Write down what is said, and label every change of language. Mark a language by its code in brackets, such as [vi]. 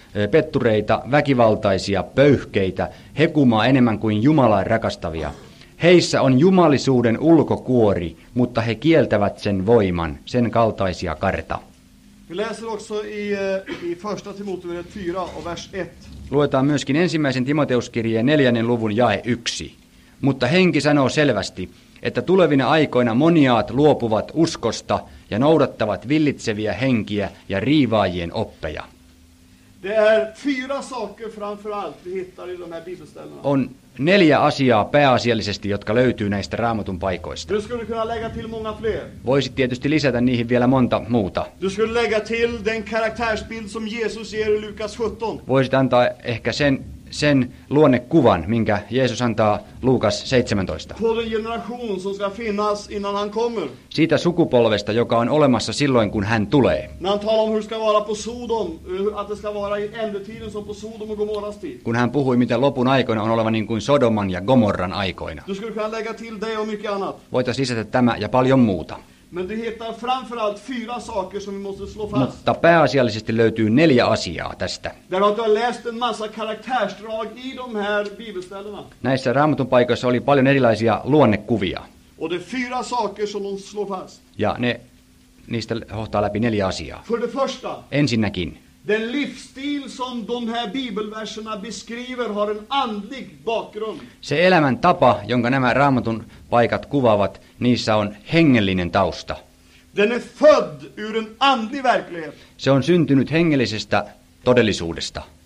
[fi] Pettureita, väkivaltaisia, pöyhkeitä, hekumaa enemmän kuin Jumalaa rakastavia. Heissä on jumalisuuden ulkokuori, mutta he kieltävät sen voiman, sen kaltaisia karta. [sv] Vi läser också i första Timoteus 4 och vers 1. [fi] Luetaan myöskin ensimmäisen Timoteuskirjeen 4. luvun jae 1. Mutta henki sanoo selvästi, että tulevina aikoina moniaat luopuvat uskosta ja noudattavat villitseviä henkiä ja riivaajien oppeja. [sv] Det är fyra saker framförallt vi hittar i de här bibelställena. [fi] On 4 asiaa pääasiallisesti, jotka löytyy näistä Raamatun paikoista. [sv] Du skulle kunna lägga till många fler. [fi] Voisit tietysti lisätä niihin vielä monta muuta. [sv] Du skulle lägga till den karaktärsbild som Jesus ger i Lukas 17. [fi] Voisit antaa ehkä sen luonnekuvan, minkä Jeesus antaa Luukas 17. [sv] På den generation som ska finnas innan han kommer. [fi] Siitä sukupolvesta, joka on olemassa silloin, kun hän tulee. [sv] När han talar om hur ska vara på Sodom, att det ska vara i ändetiden som på Sodom och Gomorras tid. [fi] Kun hän puhui, mitä lopun aikoina on oleva niin kuin Sodoman ja Gomorran aikoina. [sv] Du skulle kunna lägga till det och mycket annat. [fi] Voitaisiin lisätä tämä ja paljon muuta. [sv] Men det heter framförallt 4 saker som vi måste slå fast. [fi] Mutta pääasiallisesti löytyy 4 asiaa tästä. [sv] Där har du läst en massa karaktärsdrag i de här bibelställena. [fi] Näissä Raamatun paikoissa oli paljon erilaisia luonnekuvia. [sv] Och det 4 saker som de slår fast. [fi] Ja niistä hohtaa läpi 4 asiaa. [sv] För det första. [fi] Ensinnäkin. [sv] Den livsstil som de här bibelverserna beskriver har en andlig bakgrund. [fi] Se elämäntapa, jonka nämä Raamatun paikat kuvaavat, niissä on hengellinen tausta. [sv] Den är född ur en andlig verklighet. [fi] Se on syntynyt hengellisestä todellisuudesta.